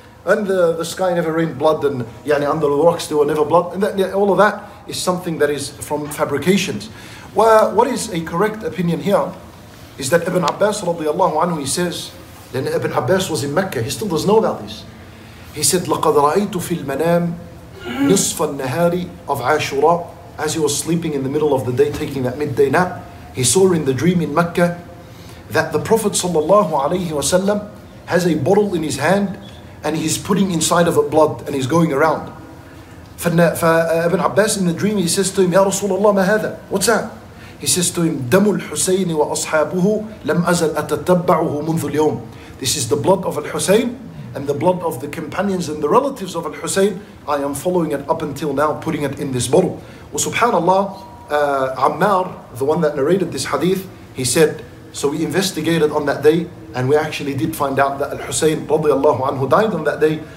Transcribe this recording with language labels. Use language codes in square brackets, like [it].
[en] And the sky never rained blood, and yani, under the rocks there were never blood. And that, yeah, all of that is something that is from fabrications. Well, what is a correct opinion here? Is that Ibn Abbas radiallahu anhu, he says, then Ibn Abbas was in Mecca, he still doesn't know about this. He said, [ar] لَقَدْ رَأَيْتُ فِي الْمَنَامِ نِصْفَ النَّهَارِ [en] of Ashura. As he was sleeping in the middle of the day, taking that midday nap, he saw in the dream in Mecca that the Prophet sallallahu alayhi wasallam has a bottle in his hand and he's putting inside of it blood and he's going around. Ibn Abbas in the dream, he says to him, [ar] يَا رَسُولَ اللَّهِ مَا هَذَا? [en] What's that? He says to him, [ar] دَمُ الْحُسَيْنِ وَأَصْحَابُهُ لَمْ أَزَلْ أَتَتَّبَّعُهُ مُنْذُ الْيَوْمِ. [en] This is the blood of Al-Hussein and the blood of the companions and the relatives of Al-Hussein. I am following it up until now, putting it in this bottle. Well, subhanAllah, Ammar, the one that narrated this hadith, he said, so we investigated on that day And we actually did find out that Al-Hussain radiallahu anhu died on that day.